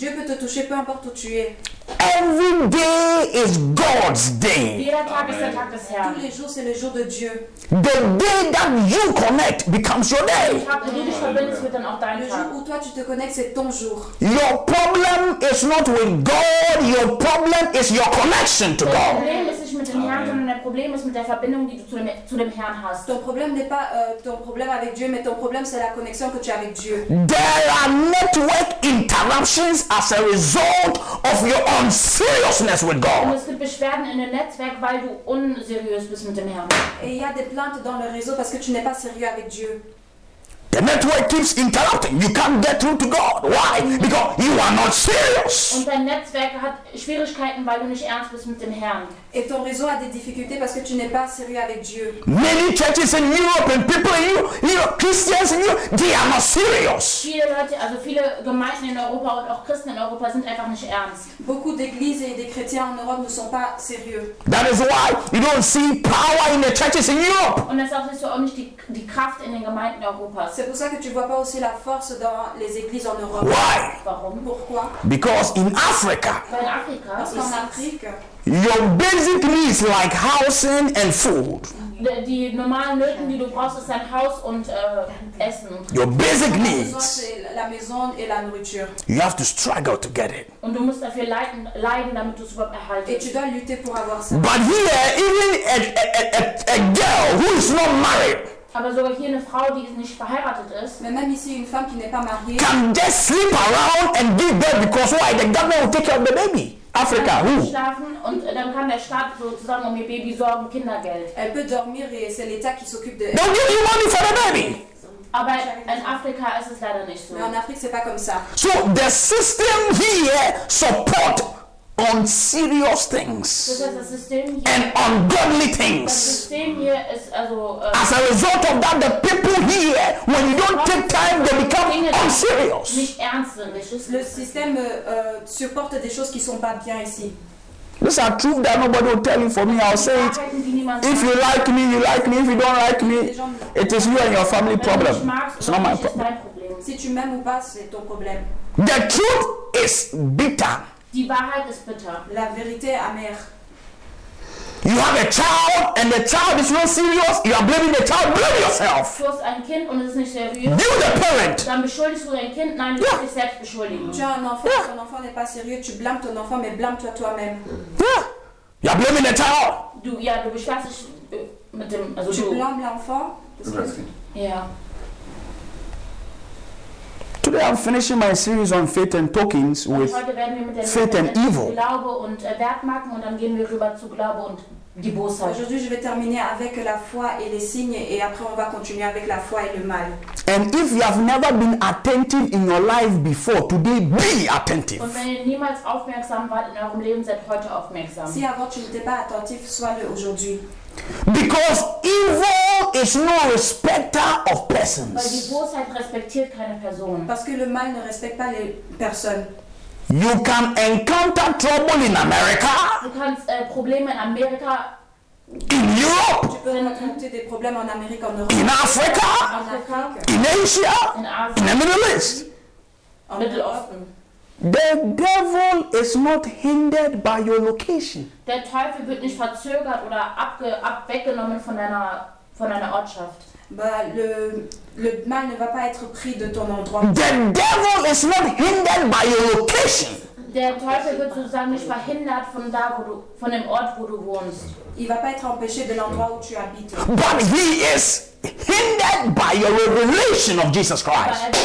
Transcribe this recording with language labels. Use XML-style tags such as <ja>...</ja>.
<fr>Dieu peut te toucher peu importe où tu es.</fr> <en>Every day is God's day.</en> <fr>Tous les jours, c'est le jour de Dieu.</fr> <en>The day that you connect becomes your day.</en> <fr>Le jour où toi tu te connectes, c'est ton jour.</fr> <en>Your problem is not with God. Your problem is your connection to God.</en> <fr>Le problème n'est pas avec le Seigneur, mais le problème est avec la connexion que tu as avec Dieu. Ton problème n'est pas ton problème avec Dieu, mais ton problème c'est la connexion que tu as avec Dieu.</fr> <en>There are network interruptions as a result of your unseriousness with God.</en> <de>Und es gibt Beschwerden in dem Netzwerk, weil du unseriös bist mit dem Herrn.</de> <fr>Et il y a des plaintes dans le réseau parce que tu n'es pas sérieux avec Dieu.</fr> <en>The network keeps interrupting. You can't get through to God. Why? Because you are not serious.</en> <de>Und dein Netzwerk hat Schwierigkeiten, weil du nicht ernst bist mit dem Herrn.</de> <fr>Et ton réseau a des difficultés parce que tu n'es pas sérieux avec Dieu.</fr> <en>Many churches in Europe and people in Europe, Christians in Europe, they are not serious.</en> <de>Viele Leute, also viele Gemeinden in Europa und auch Christen in Europa sind einfach nicht ernst.</de> <fr>Beaucoup d'églises et des chrétiens en Europe ne sont pas sérieux.</fr> <en>That is why you don't see power in the churches in Europe.</en> <de>Und deshalb siehst du auch nicht die Kraft in den Gemeinden Europas.</de> <fr>C'est pour ça que tu vois pas aussi la force dans les églises en Europe.</fr> <en>Why?</en> <de>Warum?</de> <fr>Pourquoi?</fr> <en>Because in Africa. In Africa.</en> <fr>Parce qu'en Afrique.</fr> <en>Your basic needs like housing and food.</en> <de>Die normalen Nöten, die du brauchst, ist dein Haus und Essen.</de> <en>Your basic needs.</en> <fr>La maison et la nourriture.</fr> <en>You have to struggle to get it.</en> <de>Und du musst dafür leiden, damit du es überhaupt erhalten.</de> <fr>Et tu dois lutter pour avoir ça.</fr> <en>But here, even a girl who is not married.</en> <de>Aber sogar hier eine Frau, die nicht verheiratet ist.</de> <fr>Mais même ici une femme qui n'est pas mariée.</fr> <en>Can just sleep around and give birth because why? The government will take care of the baby. Africa, who?</en> <de>Und dann kann der Staat sozusagen um ihr Baby sorgen, Kindergeld.</de> <fr>Elle peut dormir et c'est l'État qui s'occupe de.</fr> <en>Don't give you money for the baby.</en> <de>Aber in Afrika ist es leider nicht so.</de> <fr>Mais en Afrique c'est pas comme ça.</fr> <en>So the system here support on serious things and ungodly things. As a result of that, the people here, when you don't take time, they become unserious.</en> <fr>Le système supporte des choses qui sont pas bien ici.</fr> <en>This is a truth that nobody will tell you for me. I'll say it. If you like me, you like me. If you don't like me, it is you and your family problem. It's not my problem.</en> <fr>Si tu m'aimes ou pas, c'est ton problème.</fr> <en>The truth is bitter.</en> <de>Die Wahrheit ist bitter.</de> <fr>La vérité amère.</fr> <en>You have a child and the child is not serious. You are blaming the child. Blame yourself.</en> <de>Du hast ein Kind und es ist nicht seriös.</de> <en>You the parent.</en> <de>Dann beschuldigst du dein Kind. Nein, du musst dich selbst beschuldigen.</de> <fr>Tu as un enfant.</fr> <en>Yeah.</en> <fr>Ton enfant n'est pas sérieux. Tu blâmes ton enfant, mais blâme-toi toi-même.</fr> <en>Yeah. You are blaming the child.</en> <de>Du, ja, du beschwerst dich mit dem. Also</de> <fr>tu blâmes l'enfant.</fr> <de>Ja.</de> <en>Today I'm finishing my series on faith and tokens with faith and evil.</en> <de>Glaube und Wertmarken und dann gehen wir rüber zu Glaube und die Bosheit.</de> <fr>Aujourd'hui je vais terminer avec la foi et les signes et après on va continuer avec la foi et le mal.</fr> <en>And if you have never been attentive in your life before, today be attentive.</en> <de>Und wenn ihr niemals aufmerksam wart in eurem Leben, seid heute aufmerksam.</de> <fr>Si avant tu n'étais pas attentif, sois-le aujourd'hui.</fr> <en>Because evil is no respecter of persons.</en> <de>Weil die Bosheit respektiert keine Person.</de> <fr>Parce que le mal ne respecte pas les personnes.</fr> <en>You can encounter trouble in America.</en> <de>Du kannst Probleme in Amerika.</de> <en>In Europe.</en> <fr>Tu peux rencontrer des problèmes en Amérique, en Europe.</fr> <en>In Africa.</en> <fr>En Afrique.</fr> <en>In Asia. In Asia. In the Middle East.</en> <fr>En Middle East.</fr> <en>The devil is not hindered by your location.</en> <de>Der Teufel wird nicht verzögert oder weggenommen von deiner Ortschaft.</de> <fr>Le mal ne va pas être pris de ton endroit.</fr> <en>The devil is not hindered by your location.</en> <de>Der Teufel wird sozusagen nicht verhindert von da, wo du, von dem Ort, wo du wohnst.</de> <fr>Il va pas être empêché de l'endroit où tu habites.</fr> <en>But he is hindered by your revelation of Jesus Christ.</en>